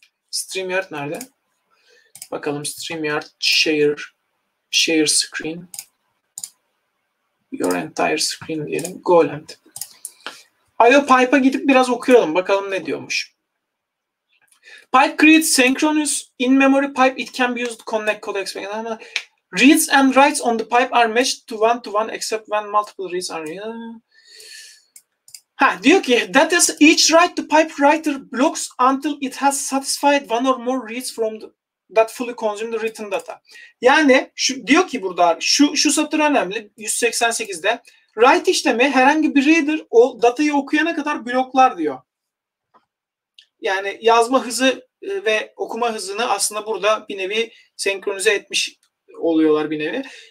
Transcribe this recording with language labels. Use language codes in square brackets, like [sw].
[tr] StreamYard nerede? Bakalım StreamYard [en] share screen your entire screen [tr] diyelim. Golem. IO Pipe'a gidip biraz okuyalım. Bakalım ne diyormuş. [en] Pipe creates synchronous in-memory pipe. It can be used to connect code explain. Reads and writes on the pipe are matched to one-to-one except when multiple reads are... [tr] diyor ki [en] that is each write the pipe writer blocks until it has satisfied one or more reads from that fully consumed written data. [tr] Yani şu, diyor ki burada şu satır önemli 188'de. Write işlemi herhangi bir reader o datayı okuyana kadar bloklar diyor. Yani yazma hızı ve okuma hızını aslında burada bir nevi senkronize etmiş oluyorlar bir nevi.